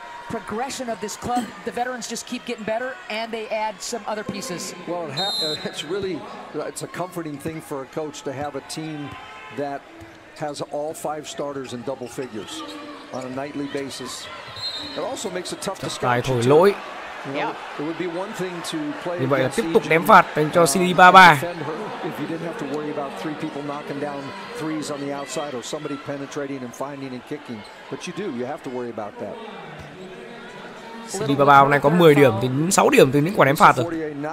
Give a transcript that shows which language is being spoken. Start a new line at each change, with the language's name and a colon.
English: Progression of this club, the veterans just keep getting better and they add some other pieces. Well, it's a comforting thing for a coach to have a team that has all five starters in double figures on a nightly basis. It also makes it tough to scout.
Vietnamese: Thổi lỗi.
English: Yeah. It would be one thing to play.
Vietnamese: Như vậy là tiếp tục ném phạt dành cho CD 33.
English: If you didn't have to worry about three people knocking down threes on the outside or somebody penetrating and finding and kicking, but you do, you have to worry about that.
Vietnamese: CD 33 hôm nay có 10 điểm, thì 6 điểm từ những quả ném phạt rồi.